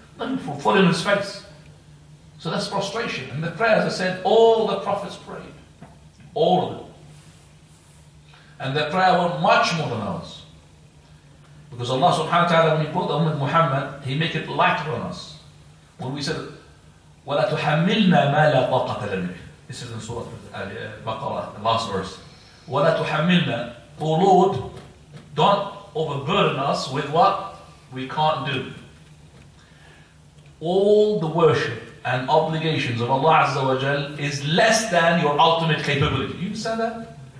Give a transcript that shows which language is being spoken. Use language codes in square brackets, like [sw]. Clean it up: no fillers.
[en] No, for falling on his face. So that's prostration. And the prayer, as I said, all the prophets prayed. All of them. And their prayer were much more than ours. Because Allah subhanahu wa ta'ala, when he brought the Ummah Muhammad, he make it lighter on us. When we said, [ar] وَلَا تُحَمِّلْنَا مَا لَا طَاقَةَ لَنَا. [en] This is in Surah Al-Baqarah, the last verse. [ar] وَلَا تُحَمِّلْنَا. [en] Oh Lord, don't overburden us with what we can't do. All the worship and obligations of Allah Azza wa Jal is less than your ultimate capability. You understand that?